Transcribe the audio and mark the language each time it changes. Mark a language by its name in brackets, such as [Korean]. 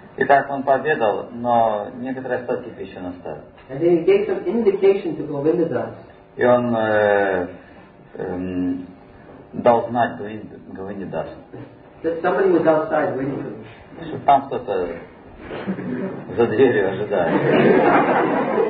[Russian] Итак, он пообедал, но некоторые остатки пищи он оставил. [English] And then he gave some indication to Govindadas. [Russian] И он дал знать Говиндадасу. [English] That somebody was outside waiting for him. [Russian] Что там кто-то за дверью ожидает.